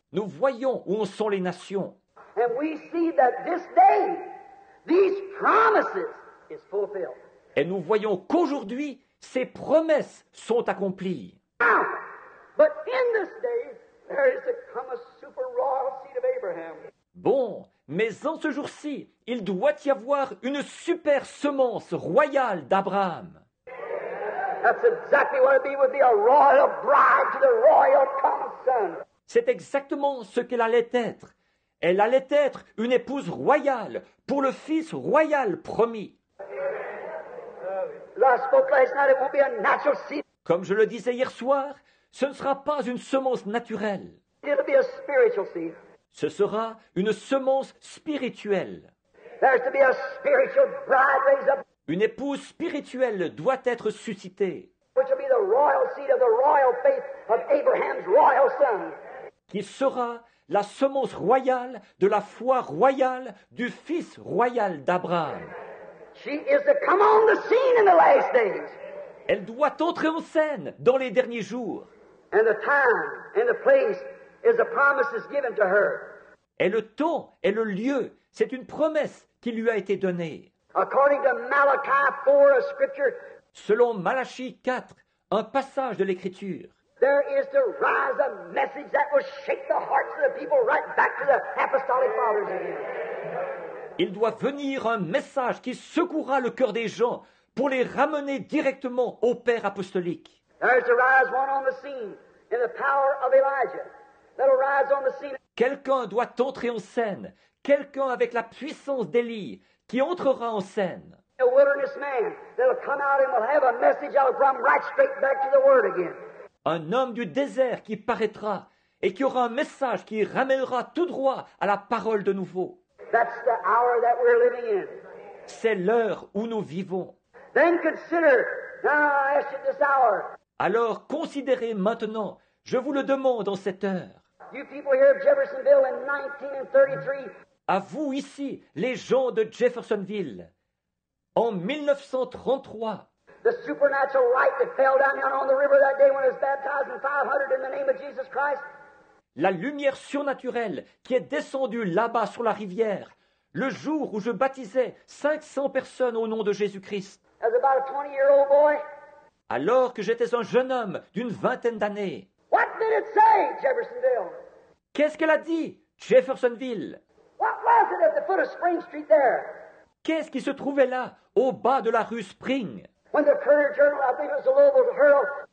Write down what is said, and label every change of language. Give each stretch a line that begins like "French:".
French: Nous voyons où en sont les nations.
English: And we see that this day, these promises is fulfilled.
French: Et nous voyons qu'aujourd'hui, ces promesses sont accomplies.
English: Now, but in this day, there is to come a super royal seed of Abraham.
French: Bon, mais en ce jour-ci, il doit y avoir une super semence royale d'Abraham.
English: That's exactly what it would be, a royal bride to the royal promised son.
French: C'est exactement ce qu'elle allait être. Elle allait être une épouse royale pour le fils royal promis.
English: I spoke last night, it won't be a natural seed.
French: Comme je le disais hier soir, ce ne sera pas une semence naturelle.
English: It'll be a spiritual seed.
French: Ce sera une semence spirituelle.
English: There's to be a spiritual bride raised up.
French: Une épouse spirituelle doit être suscitée.
English: Which will be the royal seed of the royal faith of Abraham's royal son.
French: Qui sera la semence royale de la foi royale du fils royal d'Abraham.
English: She is to come on the scene in the last days.
French: Elle doit entrer en scène dans les derniers jours.
English: And the time and the place is the promises given to her.
French: Et le temps et le lieu, c'est une promesse qui lui a été donnée.
English: According to Malachi 4, a scripture.
French: Selon Malachi 4, un passage de l'Écriture.
English: There is to rise a message that will shake the hearts of the people right back to the apostolic fathers again.
French: Il doit venir un message qui secouera le cœur des gens pour les ramener directement au Père apostolique.
English: There's to rise one on the scene in the power of Elijah that'll rise on the scene.
French: Quelqu'un doit entrer en scène, quelqu'un avec la puissance d'Élie qui entrera en scène.
English: a wilderness man that'll come out and will have a message out from right straight back to the Word again.
French: Un homme du désert qui paraîtra et qui aura un message qui ramènera tout droit à la parole de nouveau.
English: That's the hour that we're living in.
French: C'est l'heure où nous vivons.
English: Then consider, now I ask you this hour.
French: Alors considérez maintenant, je vous le demande en cette heure.
English: You people here of Jeffersonville in 1933.
French: À vous ici, les gens de Jeffersonville, en 1933.
English: The supernatural light that fell down on the river that day when it was baptized in 500 in the name of Jesus Christ.
French: La lumière surnaturelle qui est descendue là-bas sur la rivière, le jour où je baptisais 500 personnes au nom de Jésus-Christ.
English: As about a 20-year-old boy.
French: Alors que j'étais un jeune homme d'une vingtaine d'années.
English: What did it say, Jeffersonville?
French: Qu'est-ce qu'elle a dit, Jeffersonville?
English: What was it at the foot of Spring Street there?
French: Qu'est-ce qui se trouvait là, au bas de la rue Spring?
English: When the Courier Journal, I think it was the Louisville Herald.